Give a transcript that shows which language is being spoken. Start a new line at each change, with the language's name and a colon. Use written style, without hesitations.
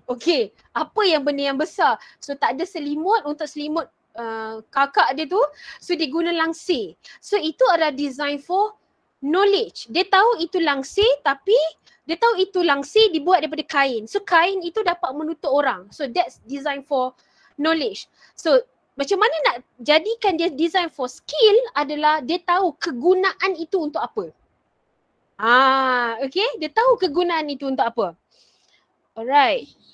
Malay: Okey, apa yang benda yang besar? So tak ada selimut untuk selimut kakak dia tu. So dia guna langsir. So itu adalah design for knowledge. Dia tahu itu langsir tapi dia tahu itu langsir dibuat daripada kain. So kain itu dapat menutup orang.
English: So that's design for knowledge.
Malay: So macam mana nak jadikan dia design for skill adalah dia tahu kegunaan itu untuk apa. Ah, okay. Dia tahu kegunaan itu untuk apa. Alright.